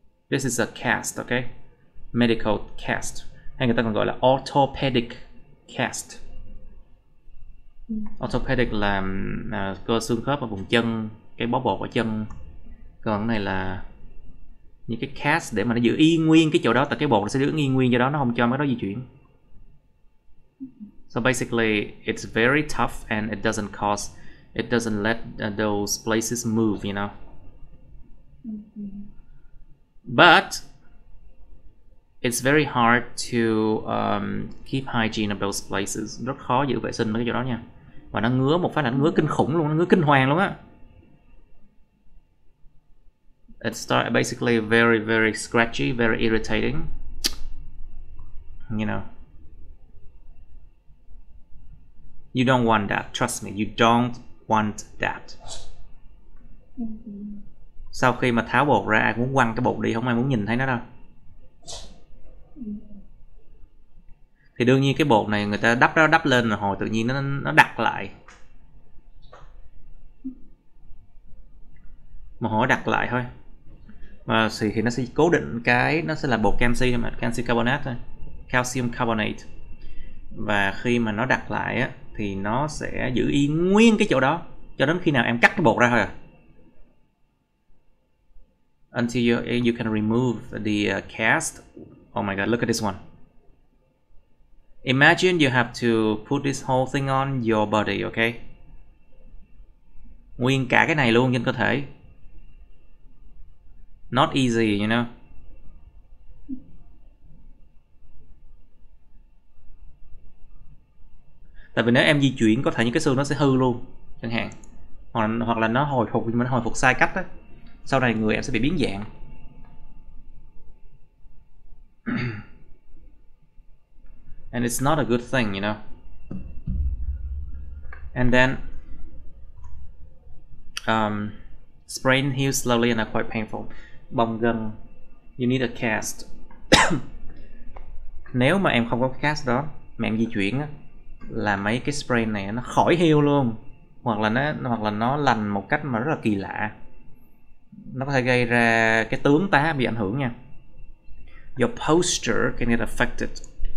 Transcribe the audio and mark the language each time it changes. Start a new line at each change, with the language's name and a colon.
English: This is a cast, okay? Medical cast.
Vietnamese: Hay người ta còn gọi là
English: orthopedic cast.
Vietnamese: Orthopedic là cơ xương khớp ở vùng chân, cái bó bột ở chân. Còn cái này là những cái cast để mà nó giữ y nguyên cái chỗ đó, tại cái bột nó sẽ giữ y nguyên cho đó, nó không cho mấy cái đó di chuyển.
English: So basically, it's very tough and it doesn't let those places move, you know. But it's very hard to keep hygiene of those places.
Vietnamese: Rất khó giữ vệ sinh mấy cái chỗ đó nha. Và nó ngứa một phát là nó ngứa kinh khủng luôn, nó ngứa kinh hoàng luôn á.
English: It start basically very very scratchy, very irritating. You know. You don't want that, trust me, you don't want that.
Vietnamese: Sau khi mà tháo bột ra, ai muốn quăng cái bột đi, không ai muốn nhìn thấy nó đâu. Thì đương nhiên cái bột này người ta đắp ra đắp lên rồi hồi tự nhiên nó đặc lại. Mà hồi đặc lại thôi. Mà thì nó sẽ cố định cái, nó sẽ là bột canxi thôi mà, canxi carbonate thôi. Calcium carbonate. Và khi mà nó đặc lại á, thì nó sẽ giữ y nguyên cái chỗ đó cho đến khi nào em cắt cái bột ra thôi à.
English: Until you can remove the cast. Oh my god, look at this one. Imagine you have to put this whole thing on your body, okay?
Vietnamese: Nguyên cả cái này luôn trên cơ thể.
English: Not easy, you know.
Vietnamese: Tại vì nếu em di chuyển có thể những cái xương nó sẽ hư luôn chẳng hạn, hoặc là nó hồi phục nhưng mà nó hồi phục sai cách á, sau này người em sẽ bị biến dạng.
English: And it's not a good thing, you know. And then sprain heals slowly and are quite painful.
Vietnamese: Bong gân,
English: you need a cast.
Vietnamese: Nếu mà em không có cái cast đó mà em di chuyển á, là mấy cái sprain này nó khỏi heal luôn, hoặc là nó lành một cách mà rất là kỳ lạ. Nó có thể gây ra cái tướng tá bị ảnh hưởng nha.
English: Your posture can get affected.